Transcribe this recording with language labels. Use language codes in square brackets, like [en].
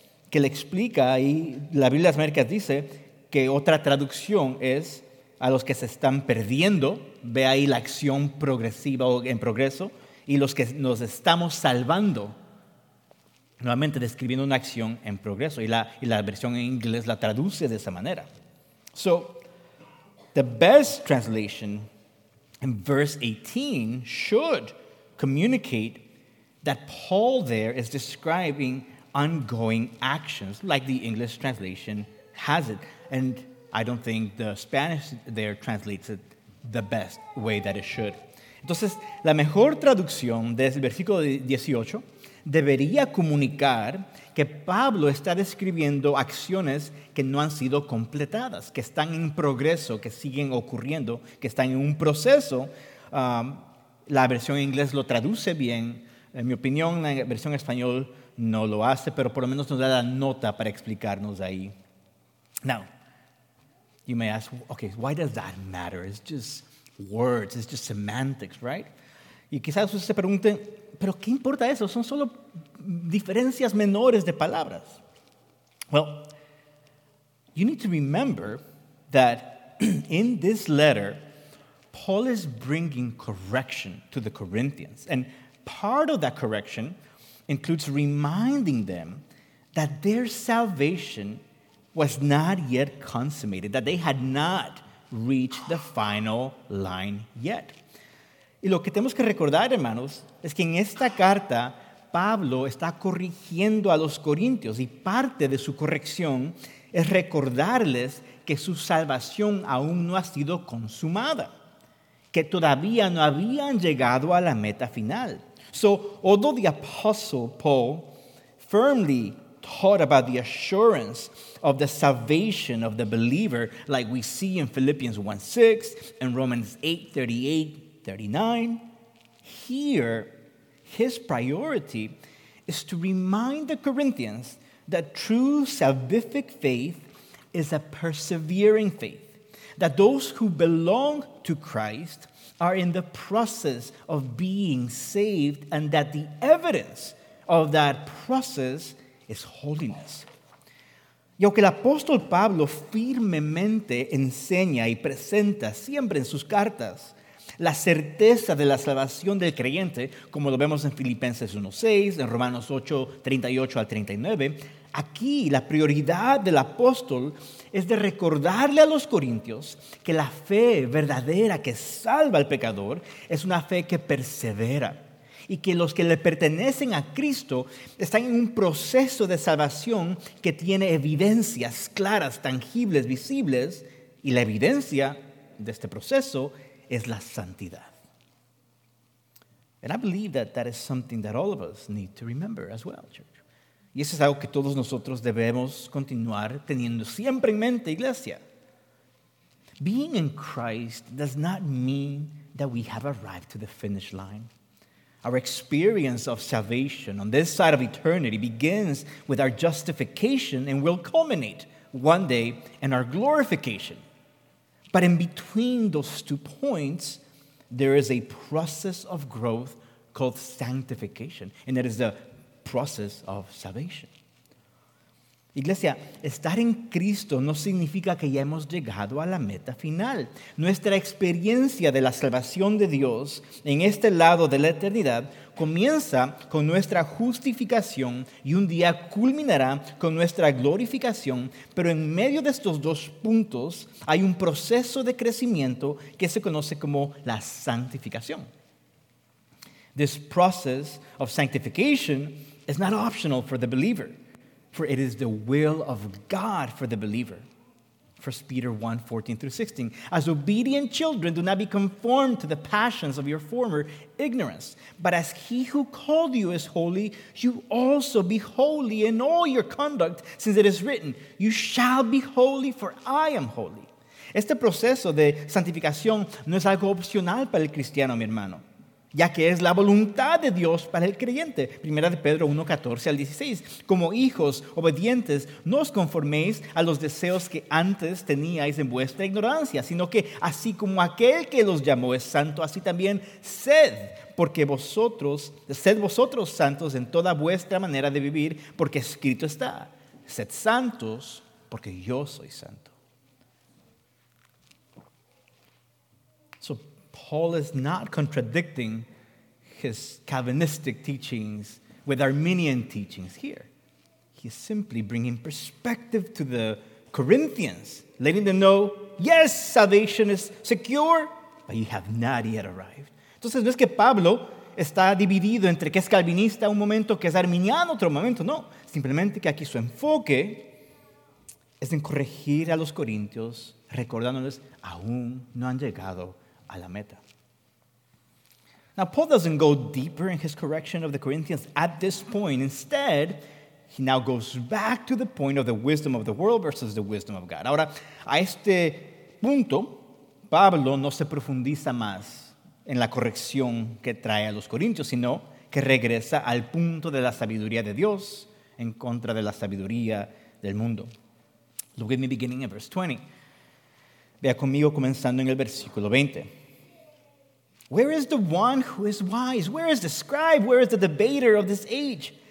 [es] Que le explica, y la Biblia de las Américas dice que otra traducción es a los que se están perdiendo, ve ahí la acción progresiva o en progreso, y los que nos estamos salvando, nuevamente describiendo una acción en progreso, y la versión en inglés la traduce de esa manera. [en] So, the best translation in verse 18 should communicate that Paul there is describing ongoing actions, like the English translation has it. And I don't think the Spanish there translates it the best way that it should. [es] Entonces, la mejor traducción del versículo 18 debería comunicar que Pablo está describiendo acciones que no han sido completadas, que están en progreso, que siguen ocurriendo, que están en un proceso. La versión en inglés lo traduce bien. En mi opinión, la versión en español no lo hace, pero por lo menos nos da la nota para explicarnos ahí. [en] Now, you may ask, okay, why does that matter? It's just words, it's just semantics, right? [es] Y quizás usted se pregunte, ¿pero qué importa eso? Son solo diferencias menores de palabras. [en] Well, you need to remember that in this letter, Paul is bringing correction to the Corinthians. And part of that correction includes reminding them that their salvation was not yet consummated, that they had not reached the final line yet. [es] Y lo que tenemos que recordar, hermanos, es que en esta carta, Pablo está corrigiendo a los corintios y parte de su corrección es recordarles que su salvación aún no ha sido consumada, que todavía no habían llegado a la meta final. [en] So, although the Apostle Paul firmly taught about the assurance of the salvation of the believer, like we see in Philippians 1:6 and Romans 8:38-39, here his priority is to remind the Corinthians that true salvific faith is a persevering faith, that those who belong to Christ are in the process of being saved, and that the evidence of that process is holiness. [es] Y aunque el apóstol Pablo firmemente enseña y presenta siempre en sus cartas la certeza de la salvación del creyente, como lo vemos en Filipenses 1:6, en Romanos 8:38-39, aquí la prioridad del apóstol es de recordarle a los corintios que la fe verdadera que salva al pecador es una fe que persevera, y que los que le pertenecen a Cristo están en un proceso de salvación que tiene evidencias claras, tangibles, visibles, y la evidencia de este proceso es la santidad. [en] And I believe that that is something that all of us need to remember as well, church. [es] Y eso es algo que todos nosotros debemos continuar teniendo siempre en mente, iglesia. [en] Being in Christ does not mean that we have arrived to the finish line. Our experience of salvation on this side of eternity begins with our justification and will culminate one day in our glorification. But in between those two points, there is a process of growth called sanctification. And that is the process of salvation. [es] Iglesia, estar en Cristo no significa que ya hemos llegado a la meta final. Nuestra experiencia de la salvación de Dios en este lado de la eternidad comienza con nuestra justificación y un día culminará con nuestra glorificación, pero en medio de estos dos puntos hay un proceso de crecimiento que se conoce como la santificación. [en] This process of sanctification is not optional for the believer, for it is the will of God for the believer. 1 Peter 1, 14-16, as obedient children, do not be conformed to the passions of your former ignorance, but as he who called you is holy, you also be holy in all your conduct, since it is written, you shall be holy, for I am holy. [es] Este proceso de santificación no es algo opcional para el cristiano, mi hermano, ya que es la voluntad de Dios para el creyente. Primera de Pedro 1:14-16. Como hijos obedientes, no os conforméis a los deseos que antes teníais en vuestra ignorancia, sino que así como aquel que los llamó es santo, así también sed, porque vosotros, sed vosotros santos en toda vuestra manera de vivir, porque escrito está, sed santos, porque yo soy santo. [en] So, Paul is not contradicting his Calvinistic teachings with Arminian teachings here. He is simply bringing perspective to the Corinthians, letting them know, yes, salvation is secure, but you have not yet arrived. [es] Entonces, no es que Pablo está dividido entre que es calvinista un momento, que es arminiano otro momento, no. Simplemente que aquí su enfoque es en corregir a los corintios, recordándoles, aún no han llegado a la meta. [en] Now, Paul doesn't go deeper in his correction of the Corinthians at this point. Instead, he now goes back to the point of the wisdom of the world versus the wisdom of God. [es] Ahora, a este punto, Pablo no se profundiza más en la corrección que trae a los corintios, sino que regresa al punto de la sabiduría de Dios en contra de la sabiduría del mundo. [en] Look at me beginning in verse 20. [es] Vea conmigo comenzando en el versículo 20. [en] Where is the one who is wise? Where is the scribe? Where is the debater of this age?